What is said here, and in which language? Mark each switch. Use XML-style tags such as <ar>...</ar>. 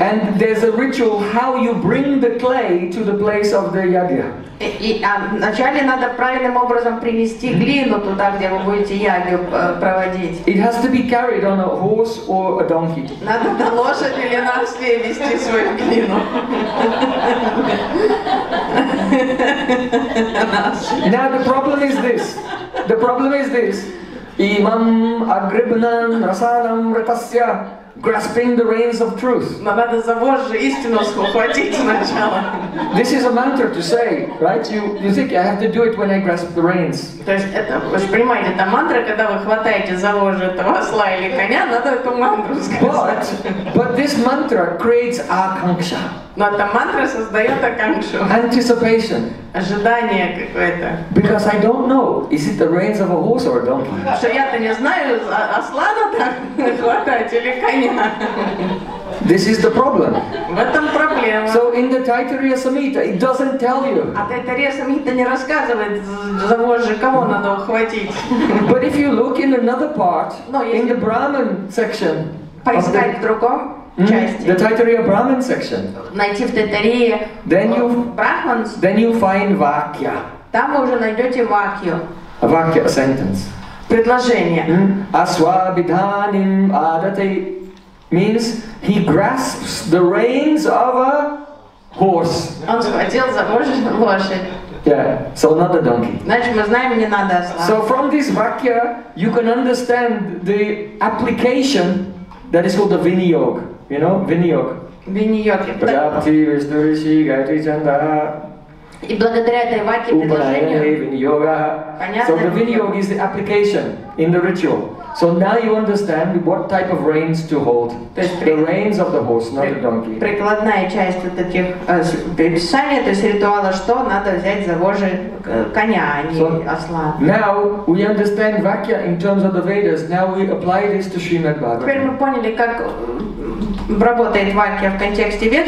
<en>And there's a ritual how you bring the clay to the place of the yagya.</en> <ru>И вначале надо правильным образом принести глину туда, где вы будете ягью проводить.</ru> <en>It has to be carried on a horse or a donkey.</en> <ru>Надо на лошади или на осле вести свою глину.</ru> <en>Now the problem is this. The problem is this.</en> <sa>Imam agribnan rasanam ratasya.</sa> <en>Grasping the reins of truth.</en> <ru>Надо за вожжи истину схватить сначала.</ru> <en>This is a mantra to say, right? You think I have to do it when I grasp the reins?</en> <ru>То есть это, вы же понимаете, это мантра, когда вы хватаете за вожжи этого осла или коня, надо эту мантру сказать.</ru> <en>But this mantra creates akanksha.</en> <ru>Но эта мантра создает акангшу.</ru> <en>Anticipation.</en> <ru>Ожидание какое-то.</ru> <en>Because I don't know, is it the reins of a horse or a donkey?</en> <ru>Что я-то не знаю, осла надо хватать или коня.</ru> <en>This is the problem.</en> <ru>В этом проблема.</ru> <en>So in the Taittiriya Samhita, it doesn't tell you.</en> <ru>А Taittiriya Samhita не рассказывает, за вожжи кого надо хватить.</ru> <en>But if you look in another part, in the Brahman section,</en> <ru>поискать в другом.</ru> <en>The Taittiriya Brahman section.</en> <ru>Найти в Taittiriya.</ru> <en>Then you find vakya.</en> <ru>Там вы уже найдете вакью.</ru> <en>A vakya, a sentence.</en> <ru>Предложение.</ru> <sa>Asvabidhanim adate</sa> <en>means he grasps the reins of a horse.</en> <ru>Он схватил за лошадь.</ru> <en>Yeah, so not a donkey.</en> <ru>Значит, мы знаем, не надо осла.</ru> <en>So from this vakya, you can understand the application that is called the vinyog. You know, Vinyog. Vinyog.</en> <sa>Prapti Vishnurishi Gaitri Chandaha.</sa> <ru>И благодаря этой ваке предложению.</ru> <en>So the Vinyog is the application in the ritual. So now you understand what type of reins to hold. The reins of the horse, not the donkey.</en> <ru>Прикладная часть вот этих предписаний, то есть ритуала, что надо взять за вожжи коня, а не осла.</ru> <en>Now we understand vakya in terms of the Vedas. Now we apply this to Srimad Bhagavatam.</en> <ru>Теперь мы поняли, как работает вакья в контексте Вед.</ru>